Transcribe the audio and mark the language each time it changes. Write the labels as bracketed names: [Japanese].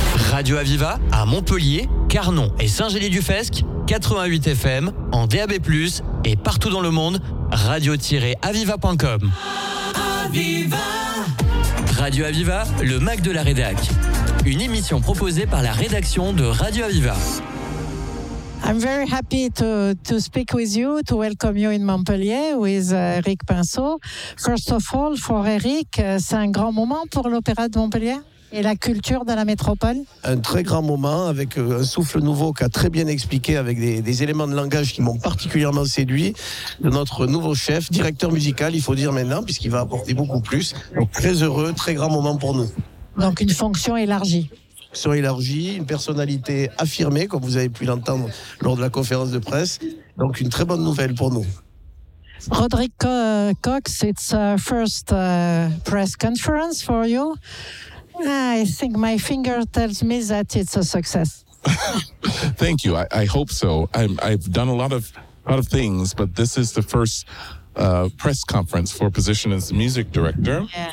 [French] Radio Aviva à Montpellier, Carnon et Saint-Gély-du-Fesc, 88 FM en DAB+ et partout dans le monde, radio-aviva.com. Aviva. Radio Aviva, le mag de la rédac. Une émission proposée par la rédaction de Radio Aviva. [English] I'm very happy to speak with you, to welcome you in Montpellier with Eric Pinceau. First of all, [French] for Eric, c'est un grand moment pour l'Opéra de Montpellier et la culture de la métropole. Un très grand moment avec un souffle nouveau qu'a très bien expliqué avec des éléments de langage qui m'ont particulièrement séduit de notre nouveau chef, directeur musical, il faut dire maintenant, puisqu'il va apporter beaucoup plus. Donc très heureux, très grand moment pour nous. Donc une fonction élargie. Une personnalité affirmée, comme vous avez pu l'entendre lors de la conférence de presse. Donc une très bonne nouvelle pour nous. [English] Roderick Cox, it's a first press conference for you. I think my finger tells me that it's a success. Thank you. I hope so. I've done a lot of things, but this is the first press conference for position as music director.